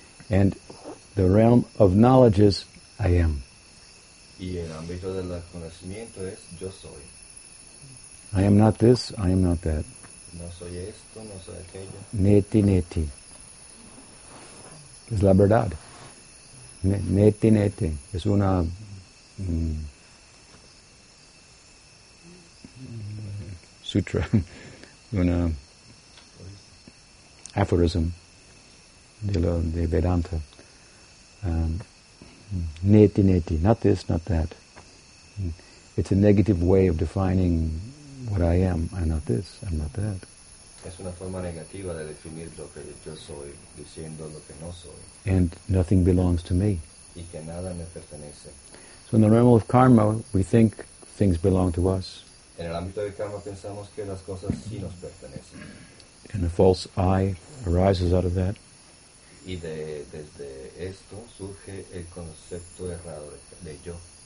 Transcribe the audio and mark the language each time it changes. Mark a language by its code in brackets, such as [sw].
[en] And the realm of knowledge is I am. [es] Y el ámbito del conocimiento es yo soy. [en] I am not this, I am not that. [es] No soy esto, no soy aquello. [sa] Neti. [es] Es la verdad. Neti. Es una... sutra. Una... aphorism. De Vedanta. [en] Neti. Not this, not that. It's a negative way of defining what I am. I'm not this, I'm not that. [es] Es una forma negativa de definir lo que yo soy, diciendo lo que no soy. [en] And nothing belongs to me. [es] Y que nada me pertenece. [en] So in the realm of karma, we think things belong to us. [es] En el ámbito del karma pensamos que las cosas sí nos pertenecen. [en] And a false I arises out of that. [es] Y desde esto surge el concepto errado de yo.